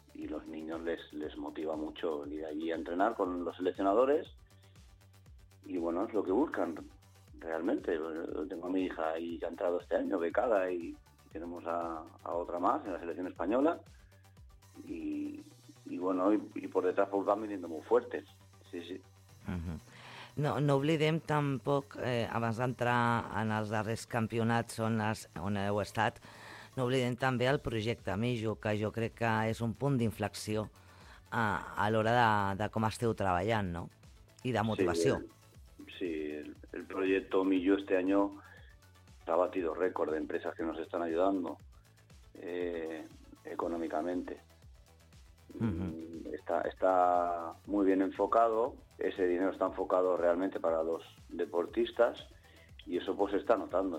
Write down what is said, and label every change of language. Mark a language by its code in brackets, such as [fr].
[es] Y los niños les motiva mucho ir allí a entrenar con los seleccionadores. Y bueno, es lo que buscan realmente. Tengo a mi hija ahí que ha entrado este año, becada, y tenemos a otra más en la selección española. Y bueno, y por detrás pues van viniendo muy fuertes. Sí, sí. Mm-hmm. [ca] No oblidem tampoc, abans d'entrar en els darrers campionats on heu estat, no oblidem també el projecte Mijo, que jo crec que és un punt d'inflexió a l'hora de com esteu treballant, no? I de motivació. [es] Sí, el projecte Mijo este año ha batido récord de empresas que nos están ayudando económicamente. Uh-huh. Está muy bien enfocado, ese dinero está enfocado realmente para los deportistas y eso pues se está notando.